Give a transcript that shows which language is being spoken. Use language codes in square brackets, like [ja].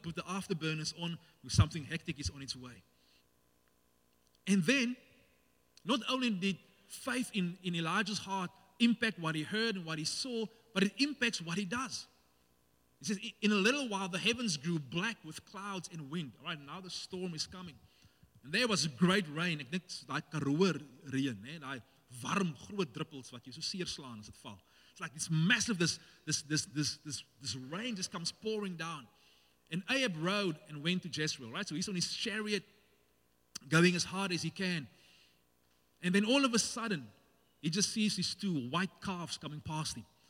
[en] Put the afterburners on because something hectic is on its way. And then, not only did faith in Elijah's heart impact what he heard and what he saw, but it impacts what he does. He says, in a little while, the heavens grew black with clouds and wind. All right, now the storm is coming. And there was great rain. [af] Ek dink daai karoo reën, hè, daai warm groot druppels wat jou so seer slaan as dit val. [en] It's like this massive, this rain just comes pouring down. And Ahab rode and went to Jezreel, right? So he's on his chariot going as hard as he can. And then all of a sudden, he just sees these two white calves coming past him.